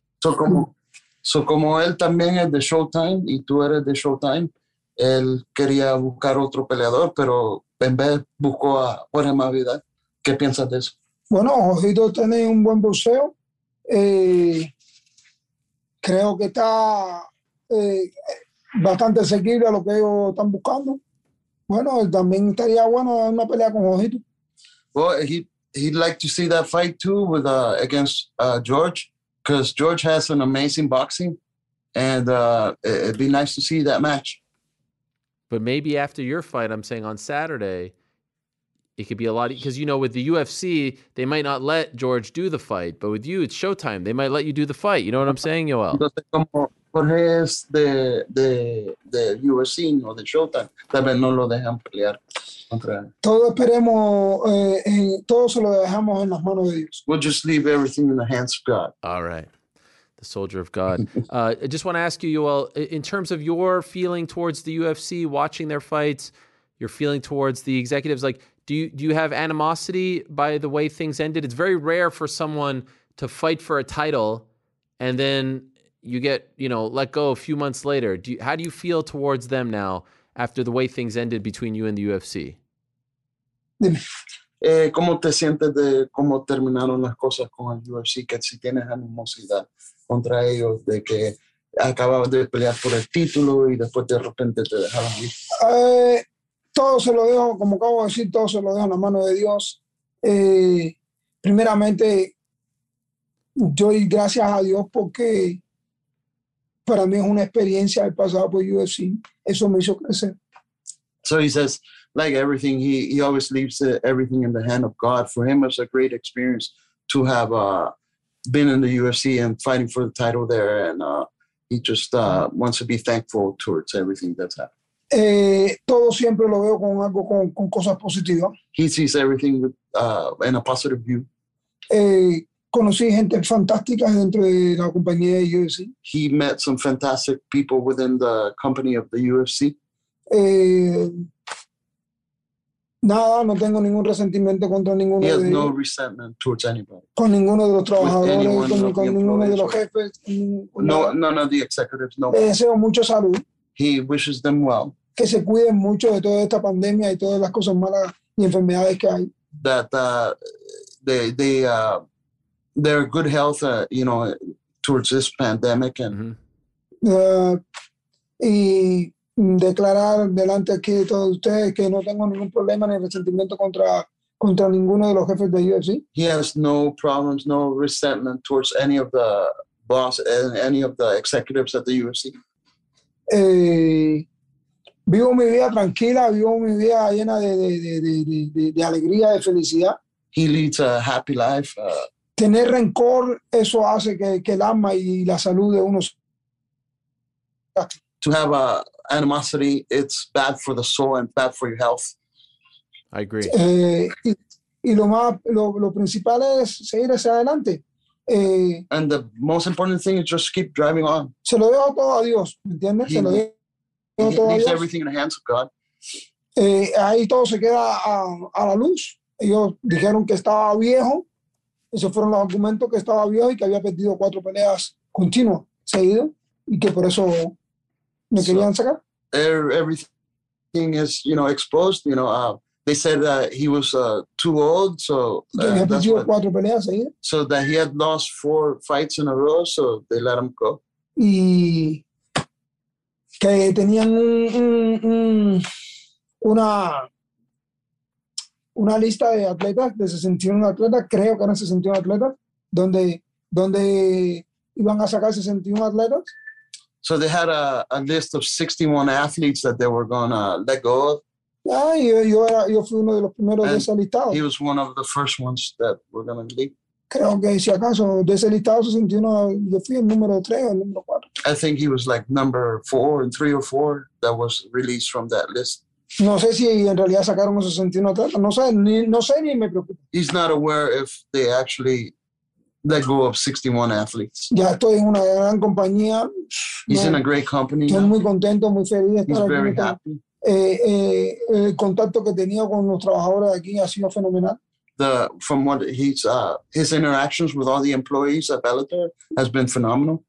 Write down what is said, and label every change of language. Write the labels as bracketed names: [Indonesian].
[Spanish] So como él también es de Showtime y tú eres de Showtime, él quería buscar otro peleador, pero en vez buscó a Jorge Masvidal. ¿Qué piensas de eso? Bueno, Jorgito tiene un buen boxeo. Creo que está bastante seguido a lo que ellos están buscando. Bueno, también estaría bueno una pelea con Jorgito. [English] Well, he'd like to see that fight too with against George, because George has an amazing boxing, and it'd be nice to see that match. But maybe after your fight, I'm saying on Saturday, it could be a lot, because with the UFC, they might not let George do the fight, but with you, it's Showtime. They might let you do the fight. You know what I'm saying, Yoel? [Spanish] Jorge es de UFC, no de Showtime. Tal vez no lo dejan pelear contra él. Todos esperemos, todos se lo dejamos en las manos de Dios. [English] We'll just leave everything in the hands of God. All right. The soldier of God. I just want to ask you, Yoel, in terms of your feeling towards the UFC, watching their fights, your feeling towards the executives, like, do you have animosity by the way things ended? It's very rare for someone to fight for a title and then you get, let go a few months later. How do you feel towards them now after the way things ended between you and the UFC? [Spanish] ¿Cómo te sientes de cómo terminaron las cosas con el UFC? Que si tienes animosidad contra ellos de que acababas de pelear por el título y después de repente te dejaron ir. Todo se lo dejo, como acabo de decir, todo se lo dejo en la mano de Dios. Primeramente, yo doy gracias a Dios porque para mí es una experiencia el pasado por UFC. Eso me hizo crecer. [English] So he says, like everything, he always leaves everything in the hand of God. For him, it's a great experience to have been in the UFC and fighting for the title there. And he just wants to be thankful towards everything that's happened. [Spanish] Todo siempre lo veo con algo, con cosas positivas. [English] He sees everything with, in a positive view. [Spanish] Conocí gente fantástica dentro de la compañía de UFC. [English] He met some fantastic people within the company of the UFC. [Spanish] Nada, no tengo ningún resentimiento contra ninguno. [English] He has [Spanish] de [English] no resentment towards anybody. [Spanish] Con ninguno de los trabajadores, con ninguno de los jefes. [English] None of the executives, no. [Spanish] Deseo mucho salud. [English] He wishes them well. [Spanish] Que se cuiden mucho de toda esta pandemia y todas las cosas malas y enfermedades que hay. [English] That their good health, towards this pandemic. And [Spanish] y declarar delante aquí de todos ustedes que no tengo ningún problema ni resentimiento contra ninguno de los jefes de UFC. [English] He has no problems, no resentment towards any of the boss, any of the executives at the UFC. [Spanish] vivo mi vida tranquila, vivo mi vida llena de alegría, de felicidad. [English] He leads a happy life. [Spanish] Tener rencor, eso hace que el alma y la salud de uno. [English] To have animosity, it's bad for the soul and bad for your health. I agree. [Spanish] Y lo más, lo principal es seguir hacia adelante. [English] And the most important thing is just keep driving on. [Spanish] Se lo dejo todo a Dios, ¿me entiendes? [English] He, leaves everything in the hands of God. [Spanish] Ahí todo se queda a la luz. Ellos dijeron que estaba viejo. Esos fueron los argumentos, que estaba viejo y que había perdido cuatro peleas continuas, seguido, y que por eso me querían sacar. [English] Everything is, you know, exposed. You know, they said that he was too old, so so that he had lost four fights in a row, so they let him go. [Spanish] Y que tenían una lista de atletas, de 61 atletas, creo que eran 61 atletas, donde iban a sacar 61 atletas. [English] So they had a list of 61 athletes that they were going to let go of. [Spanish] Yo fui uno de los primeros [English] and [Spanish] de ese listado. [English] He was one of the first ones that were going to leave. [Spanish] Creo que si acaso, de ese listado 61, yo fui el número 3 o el número 4. [English] I think he was like number 4 and 3 or 4 that was released from that list. [Spanish] No sé si en realidad sacaron los 61 atletas. No sé ni me preocupa. [English] He's not aware if they actually let go of 61 athletes. [Spanish] Ya estoy en una gran compañía. [English] He's in a great company. [Spanish] Estoy muy contento, muy feliz. [English] He's very happy. [Spanish] El contacto que tenía con los trabajadores de aquí ha sido fenomenal. [English] His interactions with all the employees at Bellator has been phenomenal.